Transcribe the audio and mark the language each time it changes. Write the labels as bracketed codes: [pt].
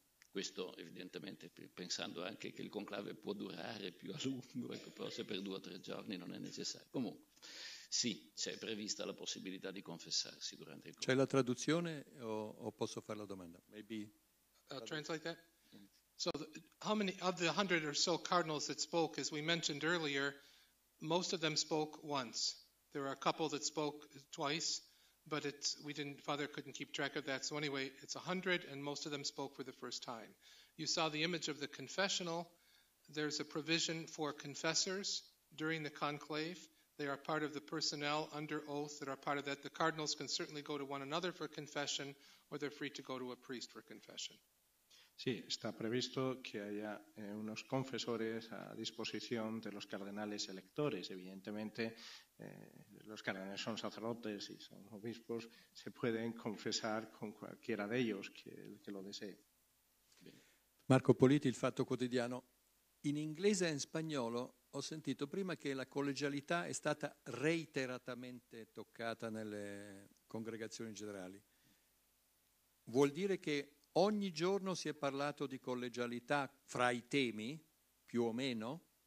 [it] Questo evidentemente pensando anche che il conclave può durare più a lungo, ecco, però se per due o tre giorni non è necessario. Comunque, sì, c'è prevista la possibilità di confessarsi durante il conclave. C'è la traduzione o posso fare la domanda? [en] Maybe. I'll translate that. So how many of the 100 or so cardinals that spoke, as we mentioned earlier, most of them spoke once. There are a couple that spoke twice. But Father couldn't keep track of that. So anyway, it's 100, and most of them spoke for the first time. You saw the image of the confessional. There's a provision for confessors during the conclave. They are part of the personnel under oath that are part of that. The cardinals can certainly go to one another for confession, or they're free to go to a priest for confession. [es] Sì, está previsto que haya unos confesores a disposición de los cardenales electores. Evidentemente, los cardenales son sacerdotes y son obispos, se pueden confesar con cualquiera de ellos que lo desee. [it] Marco Politi, Il Fatto Quotidiano. In inglese e in spagnolo ho sentito prima che la collegialità è stata reiteratamente toccata nelle congregazioni generali. Vuol dire che ogni giorno si è parlato di collegialità fra i temi, più o meno?